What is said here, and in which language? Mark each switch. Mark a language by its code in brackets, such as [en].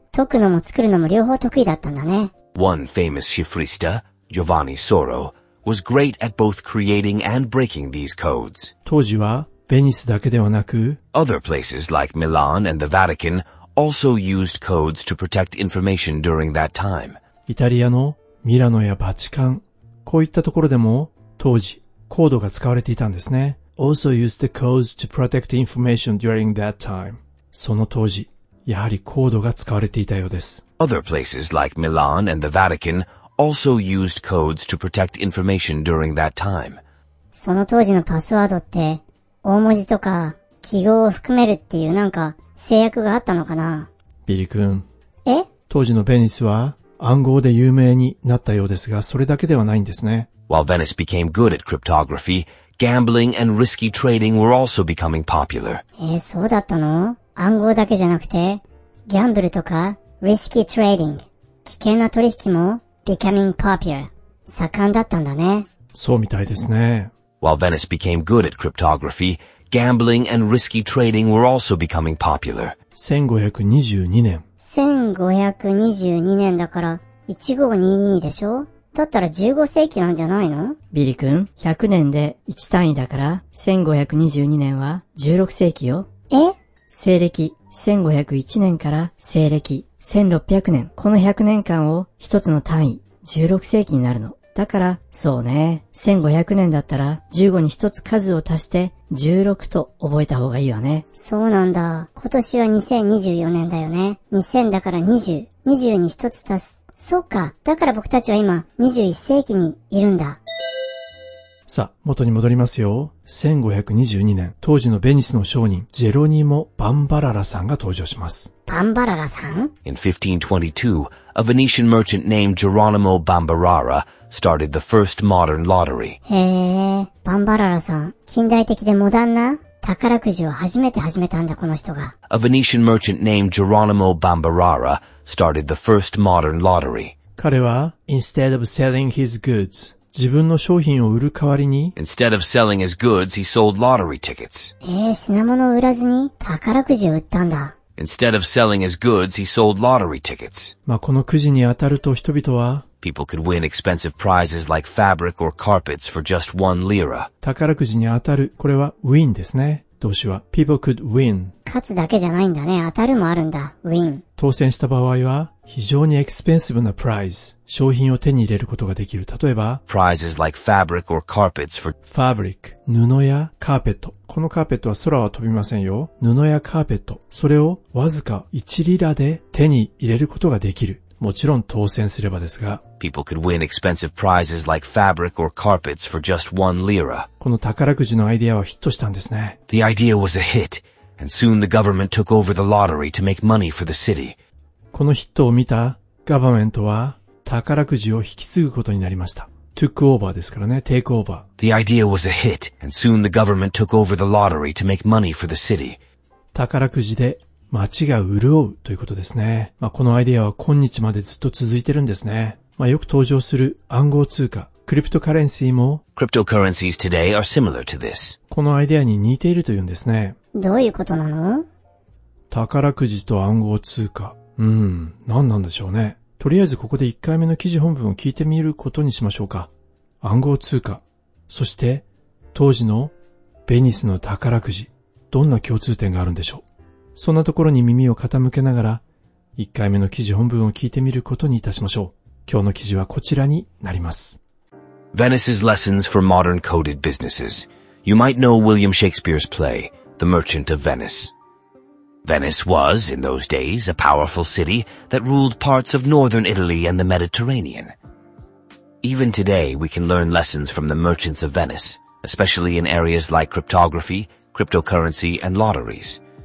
[ja] 解くのも作るのも両方得意だったんだね。 [en] One famous shifrista, Giovanni Soro, was great at both creating and breaking these codes. [ja] 当時は、ベニスだけではなく、 [en] other places like Milan and the Vatican also used codes to protect information during that time. [ja] イタリアのミラノやバチカン、こういったところでも、当時、コードが使われていたんですね。 [en] also used the codes to protect information during that time. [ja] その当時、やはりコードが使われていたようです。 [en] other places like Milan and the Vatican also used codes to protect information during that time. [ja] その当時のパスワードって、大文字とか記号を含めるっていうなんか制約があったのかな？ビリ君。え？当時のベニスは暗号で有名になったようですが、それだけではないんですね。 [en] While Venice became good at cryptography, gambling and risky trading were also becoming popular. [ja] そうだったの？暗号だけじゃなくて、ギャンブルとか、 [en] risky trading、 [ja] 危険な取引も、 [en] becoming popular [ja] 盛んだったんだね。そうみたいですね。 [en] While Venice became good at cryptography, gambling and risky trading were also becoming popular. [ja] 1522年。 1522年だから1522でしょ？だったら15世紀なんじゃないの？ビリ君、100年で1単位だから1522年は16世紀よ。え？西暦1501年から西暦1600年、この100年間を一つの単位、16世紀になるの。だから、そうね。1500年だったら、15に一つ数を足して、16と覚えた方がいいわね。そうなんだ。今年は2024年だよね。 2000だから20。20に一つ足す。そうか。だから僕たちは今、21世紀にいるんだ。さあ、元に戻りますよ。 1522年、当時のベニスの商人、ジェロニモ・バンバララさんが登場します。バンバララさん？ [en] In 1522, a Venetian merchant named Geronimo Bambarara started the first modern lottery. [ja] へぇー、バンバララさん、近代的でモダンな宝くじを初めて始めたんだ、この人が。 [en] A Venetian merchant named Geronimo Bambarara started the first modern lottery. [ja] 彼は、 [en] instead of selling his goods, [ja] 自分の商品を売る代わりに、 [en] instead of selling his goods, he sold lottery tickets. [ja] 品物を売らずに宝くじを売ったんだ。 [en] Instead of selling his goods, he sold lottery tickets. [ja] まあ、このくじに当たると人々は、 [en] people could win expensive prizes like fabric or carpets for just one lira. [ja] 宝くじに当たる、これは win ですね。動詞は [en] people could win。 [ja] 勝つだけじゃないんだね、当たるもあるんだ。 [en] win。 [ja] 当選した場合は、非常に expensive な prize、商品を手に入れることができる。例えば、 [en] prizes like fabric or carpets for [ja] fabric、布やカーペット。このカーペットは空は飛びませんよ。布やカーペット。それをわずか1リラで手に入れることができる。もちろん当選すればですが、 [en] People could win expensive prizes like fabric or carpets for just one lira. [ja] この宝くじのアイデアはヒットしたんですね。 [en] The idea was a hit, and soon the government took over the lottery to make money for the city. [ja] このヒットを見た、ガバメントは宝くじを引き継ぐことになりました。 [en] took over [ja] ですからね、 [en] take over。 The idea was a hit, and soon the government took over the lottery to make money for the city. [ja] 宝くじで街が潤うということですね。まあ、このアイデアは今日までずっと続いてるんですね。まあ、よく登場する暗号通貨、クリプトカレンシーも、 [en] Cryptocurrencies today are similar to this. [ja] このアイデアに似ているというんですね。どういうことなの？宝くじと暗号通貨。何なんでしょうね。とりあえずここで1回目の記事本文を聞いてみることにしましょうか。暗号通貨、そして当時のベニスの宝くじ、どんな共通点があるんでしょう。そんなところに耳を傾けながら1回目の記事本文を聞いてみることにいたしましょう。今日の記事はこちらになります。 [en] Venice's Lessons for Modern Coded Businesses. You might know William Shakespeare's play The Merchant of VeniceVenice was, in those days, a powerful city that ruled parts of northern Italy and the Mediterranean. Even today, we can learn lessons from the merchants of Venice, especially in areas like cryptography, cryptocurrency, and lotteries.